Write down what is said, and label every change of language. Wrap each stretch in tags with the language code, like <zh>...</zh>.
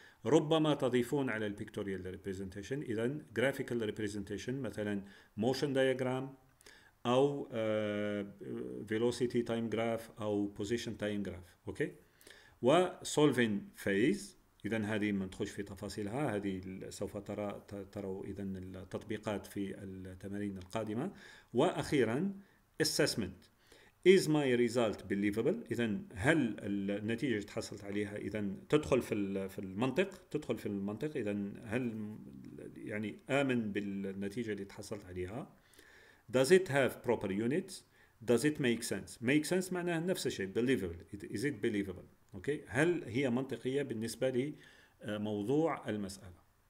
<ar>ربما تضيفون على</ar> <en>pictorial representation إذن graphical representation، مثلا motion diagram أو velocity time graph أو position time graph.</en> <ar>أوكي؟ و solving phase، إذا هذه ما ندخلش في تفاصيلها، هذه سوف تروا إذا التطبيقات في التمارين القادمة. وأخيرا assessment،</ar> <en>is my result believable،</en> <ar>إذا هل النتيجة اللي تحصلت عليها إذا تدخل في المنطق، تدخل في المنطق، إذا هل يعني آمن بالنتيجة اللي تحصلت عليها.</ar> <en>does it have proper units، does it make sense، make sense</en> <ar>معناها نفس الشيء،</ar> <en>believable، is it believable.</en> <ar>أوكي؟ هل هي منطقية بالنسبة لموضوع المسألة؟</ar>